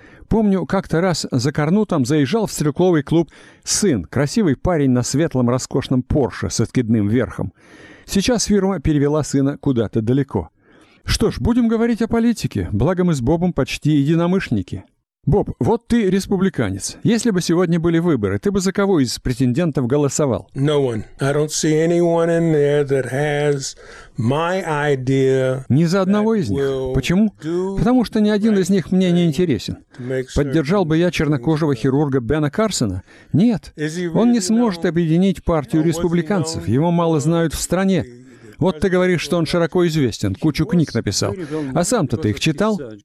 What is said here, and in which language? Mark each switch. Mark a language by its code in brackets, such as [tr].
[ru] Помню, как-то раз за Карнутом заезжал в стрелковый клуб сын, красивый парень на светлом роскошном Порше с откидным верхом. Сейчас фирма перевела сына куда-то далеко. Что ж, будем говорить о политике, благо мы с Бобом почти единомышленники. Боб, вот ты республиканец. Если бы сегодня были выборы, ты бы за кого из претендентов голосовал? [en] No one. I don't see anyone in there that has my idea. [ru] Ни за одного из них. Почему? Потому что ни один из них мне не интересен. Поддержал бы я чернокожего хирурга Бена Карсона? Нет. Он не сможет объединить партию республиканцев. Его мало знают в стране. Вот ты говоришь, что он широко известен, кучу книг написал. А сам-то ты их читал?